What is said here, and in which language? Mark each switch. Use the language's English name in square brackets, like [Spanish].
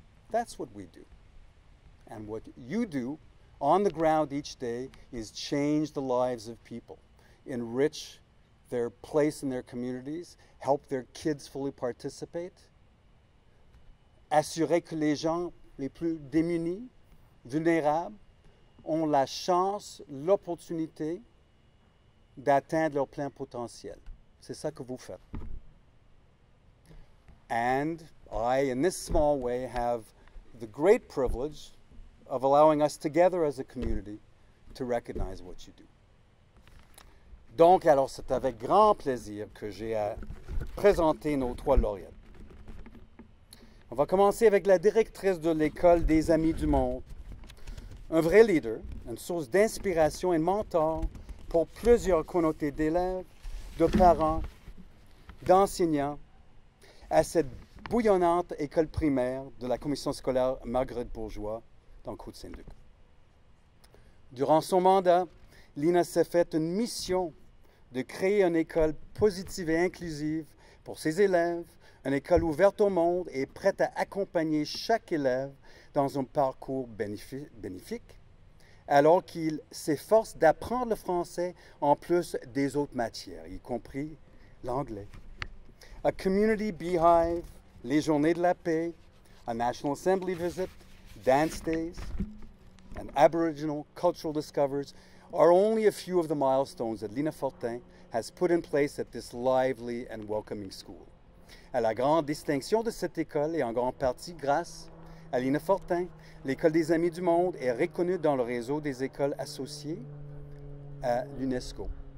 [English] That's what we do. And what you do on the ground each day is change the lives of people, enrich their place in their communities, help their kids fully participate, [French] assurer que les gens les plus démunis, vulnérables, ont la chance, l'opportunité d'atteindre leur plein potentiel. C'est ça que vous faites. [English] And I, in this small way, have the great privilege of allowing us together as a community to recognize what you do. [French] Donc, alors, c'est avec grand plaisir que j'ai à présenter nos trois lauréates. On va commencer avec la directrice de l'École des Amis du Monde, un vrai leader, une source d'inspiration et mentor pour plusieurs communautés d'élèves, de parents, d'enseignants, à cette bouillonnante école primaire de la Commission scolaire Marguerite Bourgeois dans Côte Saint-Luc. Durant son mandat, Lina s'est faite une mission de créer une école positive et inclusive pour ses élèves, une école ouverte au monde et prête à accompagner chaque élève dans un parcours bénéfique, alors qu'il s'efforce d'apprendre le français en plus des autres matières, y compris l'anglais. [English] A community beehive, [French] les journées de la paix, [English] a national assembly visit, dance days, and aboriginal cultural discoveries are only a few of the milestones that Lina Fortin has put in place at this lively and welcoming school. [French] À la grande distinction de cette école et en grande partie grâce à Lina Fortin, l'École des Amis du Monde est reconnue dans le réseau des écoles associées à l'UNESCO.